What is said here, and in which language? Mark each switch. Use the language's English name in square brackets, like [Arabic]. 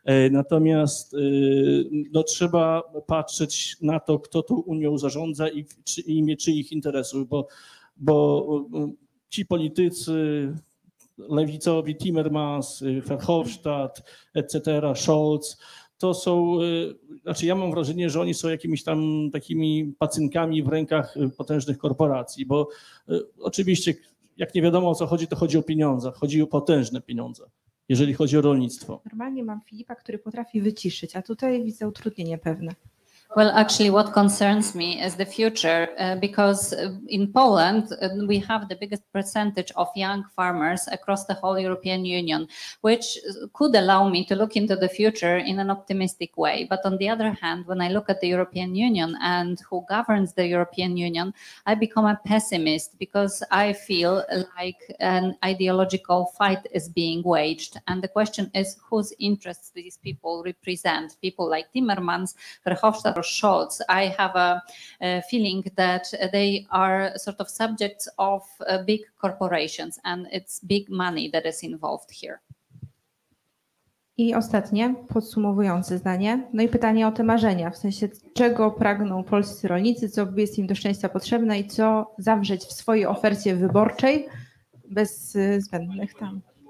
[Polish] Natomiast no, trzeba patrzeć na to, kto tu Unią zarządza i imię czyich interesów, bo ci politycy lewicowi, Timmermans, Verhofstadt, etc., Scholz, to są, znaczy ja mam wrażenie, że oni są jakimiś tam takimi pacynkami w rękach potężnych korporacji, bo oczywiście jak nie wiadomo o co chodzi, to chodzi o pieniądze, chodzi o potężne pieniądze, jeżeli chodzi o rolnictwo. Normalnie mam Filipa, który potrafi wyciszyć, a tutaj widzę utrudnienie pewne. [English] Well, actually, what concerns me is the future, because in Poland, we have the biggest percentage of young farmers across the whole European Union, which could allow me to look into the future in an optimistic way. But on the other hand, when I look at the European Union and who governs the European Union, I become a pessimist because I feel like an ideological fight is being waged. And the question is, whose interests these people represent? People like Timmermans, Verhofstadt, Scholz, I have a feeling that they are sort of subjects of big corporations and it's big money that is involved here. [Polish] I ostatnie, podsumowujące zdanie, no i pytanie o te marzenia, w sensie czego pragną polscy rolnicy, co jest im do szczęścia potrzebne i co zawrzeć w swojej ofercie wyborczej bez zbędnych tam.